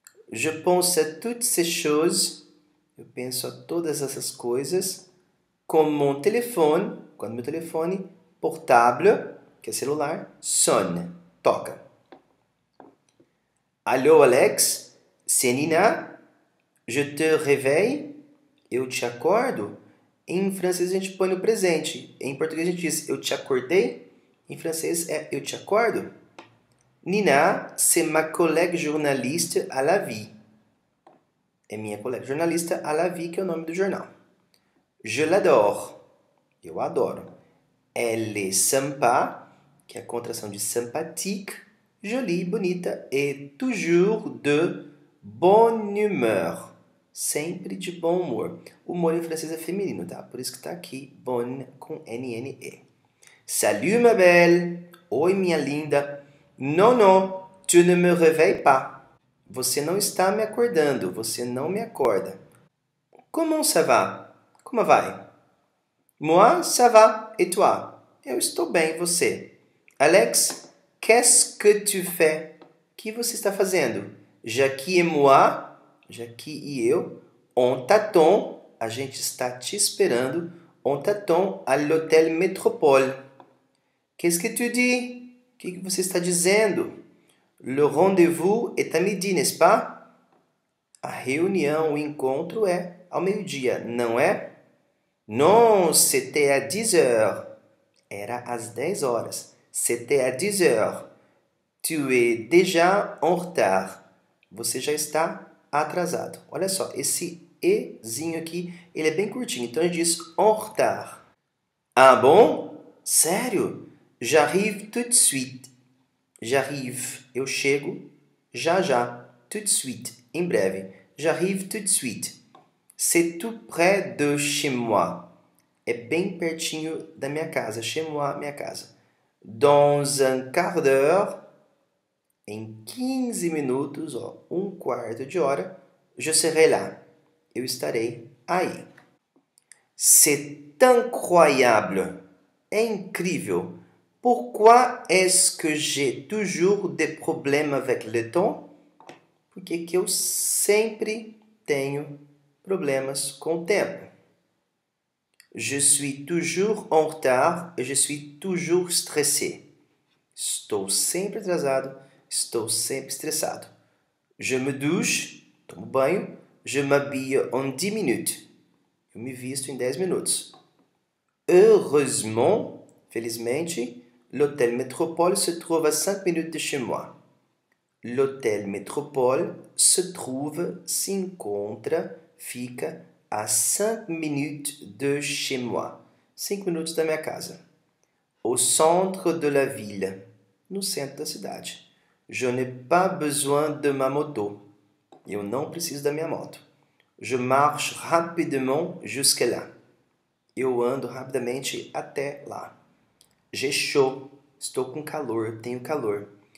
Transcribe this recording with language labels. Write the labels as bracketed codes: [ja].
[fr] Je pense à toutes ces choses. [pt] Eu penso a todas essas coisas. [fr] Comme mon téléphone. [pt] Quando meu telefone. [fr] Portable. [pt] Que é celular. [fr] Sonne. [pt] Toca. [fr] Allô, Alex. C'est Nina. Je te réveille. [pt] Eu te acordo. Em francês a gente põe no presente. Em português a gente diz eu te acordei. Em francês é eu te acordo. [fr] Nina, c'est ma collègue journaliste à la vie. [pt] É minha colega jornalista à la vie, que é o nome do jornal. [fr] Je l'adore. [pt] Eu adoro. [fr] Elle est sympa, [pt] que é a contração de [fr] sympathique, jolie, [pt] bonita, [fr] et toujours de bonne humeur. [pt] Sempre de bom humor. O humor em francês é feminino, tá? Por isso que tá aqui, bonne, com N-N-E. [fr] Salut, ma belle. [pt] Oi, minha linda. [fr] Non, non, tu ne me réveilles pas. [pt] Você não está me acordando, você não me acorda. [fr] Comment ça va? [pt] Como vai? [fr] Moi, ça va, et toi? [pt] Eu estou bem, você? [fr] Alex, qu'est-ce que tu fais? [pt] Que você está fazendo? [fr] Jacqui et moi, [pt] Jacqui e eu, [fr] on t'attend, [pt] a gente está te esperando, [fr] on t'attend à l'hôtel Métropole. Qu'est-ce que tu dis? [pt] O que você está dizendo? [fr] Le rendez-vous est à midi, n'est-ce pas? [pt] A reunião, o encontro é ao meio-dia, não é? [fr] Non, c'était à 10h. [pt] Era às 10 horas. [fr] C'était à 10h. Tu es déjà en retard. [pt] Você já está atrasado. Olha só, esse Ezinho aqui, ele é bem curtinho. Então, ele diz [fr] en retard. Ah, bon? [pt] Sério? [fr] J'arrive tout de suite. J'arrive. [pt] Eu chego já já. [fr] Tout de suite. [pt] Em breve. [fr] J'arrive tout de suite. C'est tout près de chez moi. [pt] É bem pertinho da minha casa. [fr] Chez moi, [pt] minha casa. [fr] Dans un quart d'heure. [pt] Em 15 minutos, ó, um quarto de hora. [fr] Je serai là. [pt] Eu estarei aí. [fr] C'est incroyable. [pt] É incrível. [fr] Pourquoi est-ce que j'ai toujours des problèmes avec le temps? [pt] Por que eu sempre tenho problemas com o tempo? [fr] Je suis toujours en retard et je suis toujours stressé. [pt] Estou sempre atrasado, estou sempre estressado. [fr] Je me douche, [pt] tomo banho, [fr] je m'habille en 10 minutes. [pt] Eu me visto em 10 minutos. [fr] Heureusement, [pt] felizmente, [fr] l'hôtel Métropole se trouve à 5 minutes de chez moi. L'hôtel Métropole se trouve, [pt] se encontra, fica [fr] à 5 minutes de chez moi. [pt] 5 minutes da minha casa. [fr] Au centre de la ville. [pt] No centro da cidade. [fr] Je n'ai pas besoin de ma moto. [pt] Eu não preciso da minha moto. [fr] Je marche rapidement jusque là. [pt] Eu ando rapidamente até lá. [fr] J'ai chaud. [pt] Estou com calor. Tenho calor.